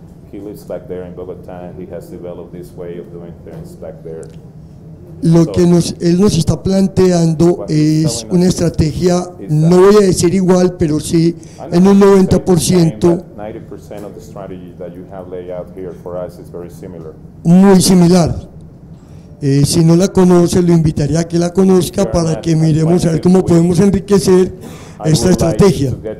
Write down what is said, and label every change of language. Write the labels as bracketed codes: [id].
[en] He lives back there in Bogotá and he has developed this way of doing things back there. [es] Lo que él nos está planteando es una estrategia, no voy a decir igual, pero sí en un 90%. [en] 90% of the strategy that you have laid out here for us is very similar. [es] Muy similar. Si no la conoce, lo invitaría a que la conozca para que miremos a ver cómo podemos enriquecer esta estrategia.